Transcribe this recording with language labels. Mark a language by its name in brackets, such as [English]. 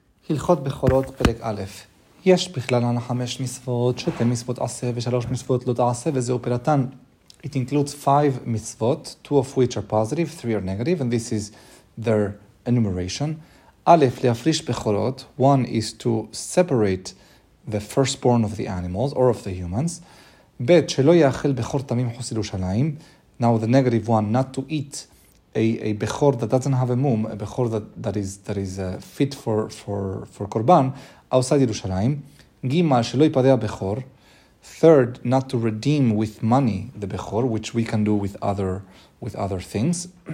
[Hebrew] הלכות בחורות פרק א', יש בכלל לנו חמש מצוות, שתי מצוות עשה ושלוש מצוות לא תעשה, וזהו פרטן. [English] It includes five מצוות, two of which are positive, three are negative, and this is their enumeration. א', [Hebrew] להפריש בחורות, [English] one is to separate the firstborn of the animals or of the humans. [Hebrew] ב', שלא יאכל בחור תמים חוץ ירושלים. [English] Now the negative one, not to eat a bechor that doesn't have a mum, a bechor that is fit for korban outside Yerushalayim. [Hebrew] Gimal shelo yipadeh bechor. [English] Third, not to redeem with money the bechor, which we can do with other things.